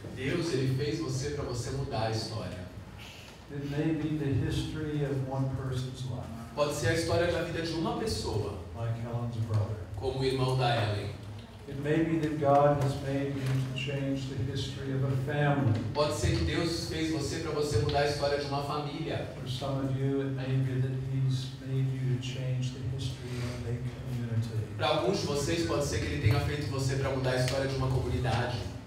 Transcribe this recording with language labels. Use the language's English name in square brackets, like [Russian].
[Portuguese] Deus, ele fez você para você mudar a história. [English] It may be the history of one person's life. [Portuguese] Pode ser a história da vida de uma pessoa. [English] Like Helen's brother. [Portuguese] Como o irmão da Ellen. [English] It may be that God has made you to change the history of a family. [Portuguese] Pode ser que Deus fez você para você mudar a história de uma família. [English] For some of you, it may be that He's made you to change the history of a community. [Portuguese] Para alguns de vocês, pode ser que Ele tenha feito você para mudar a história de uma comunidade.